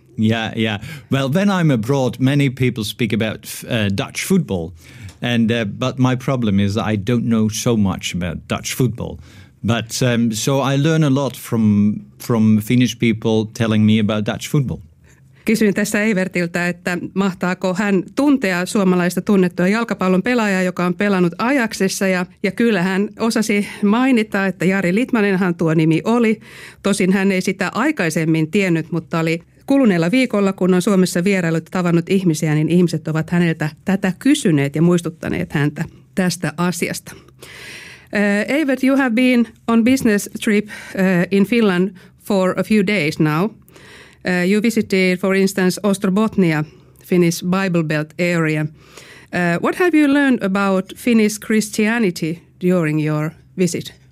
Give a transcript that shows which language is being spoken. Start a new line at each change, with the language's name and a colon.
English: Yeah, yeah. Well, when I'm abroad, many people speak about Dutch football, but my problem is I don't know so much about Dutch football. But so I learn a lot from Finnish people telling me about Dutch football.
Finnish: Kysyin tässä Evertiltä, että mahtaako hän tuntea suomalaista tunnettua jalkapallon pelaajaa, joka on pelannut Ajaxissa. Ja kyllä hän osasi mainita, että Jari Litmanenhan tuo nimi oli. Tosin hän ei sitä aikaisemmin tiennyt, mutta oli kuluneella viikolla, kun on Suomessa vierailut tavannut ihmisiä, niin ihmiset ovat häneltä tätä kysyneet ja muistuttaneet häntä tästä asiasta.
English: Evert, you have been on business trip in Finland for a few days now. You visited, for instance, Ostrobothnia, Finnish Bible Belt area. What have you learned about Finnish Christianity during your visit?